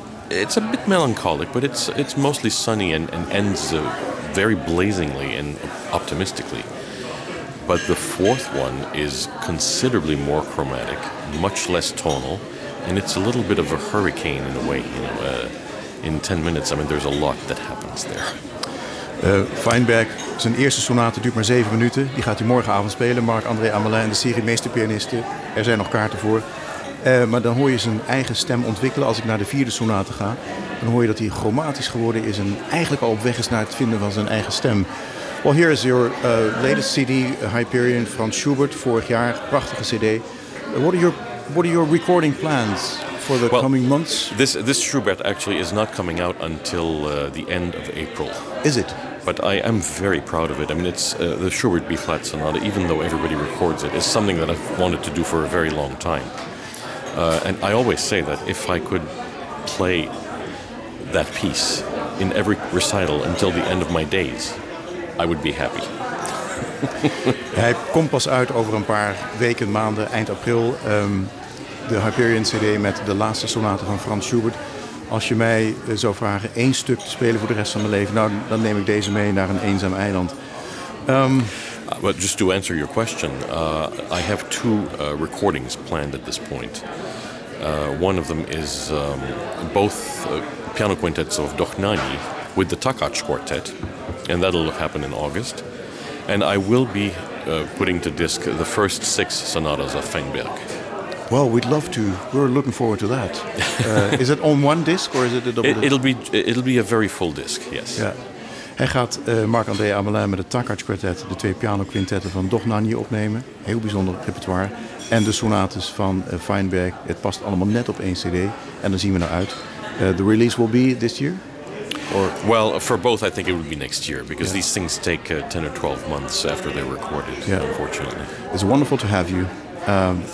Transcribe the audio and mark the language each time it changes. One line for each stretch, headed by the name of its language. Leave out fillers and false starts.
English: It's a bit melancholic, but it's mostly sunny and ends very blazingly and optimistically. But the fourth one is considerably more chromatic, much less tonal, and it's a little bit of a hurricane in a way. You know, in 10 minutes, I mean, there's a lot that happens there.
Dutch: Weinberg, zijn eerste sonate duurt maar 7 minuten. Die gaat hij morgenavond spelen. Marc-André Amelin, de serie Meesterpianisten. Er zijn nog kaarten voor. Maar dan hoor je zijn eigen stem ontwikkelen. Als ik naar de vierde sonate ga, dan hoor je dat hij chromatisch geworden is en eigenlijk al op weg is naar het vinden van zijn eigen stem.
English: Well, here is your latest CD, Hyperion, Franz Schubert,
Dutch: vorig jaar, prachtige CD.
English: What are your recording plans for the coming months? This Schubert actually is not coming out until the end of April. Is it? But I am very proud of it. I mean, it's the Schubert B flat sonata, even though everybody records it, is something that I've wanted to do for a very long time. And I always say that if I could play that piece in every recital until the end of my days, I would be happy.
Dutch: Hij komt pas uit over een paar weken, maanden, eind april. De Hyperion CD met de laatste sonate van Franz Schubert. Als je mij zou vragen één stuk te spelen voor de rest van mijn leven, nou, dan neem ik deze mee naar een eenzaam eiland.
English: But just to answer your question, I have two recordings planned at this point. One of them is both piano quintets of Dohnányi with the Takács Quartet, and that'll happen in August. And I will be putting to disc the first 6 sonatas of Weinberg. Well, we'd love to. We're looking forward to that. is it on one disc or is it a double disc? It'll be a very full disc, yes. Yeah.
Dutch: Hij gaat Marc-André Amelin met het Takács Quartet, de 2 pianoquintetten van Dohnányi opnemen. Heel bijzonder repertoire. En de sonates van Weinberg. Het past allemaal net op één CD. En dan zien we naar uit.
English: The release will be this year? Or? Well, for both, I think it will be next year. Because these things take 10 or 12 months after they're recorded, unfortunately. It's wonderful to have you in our midst.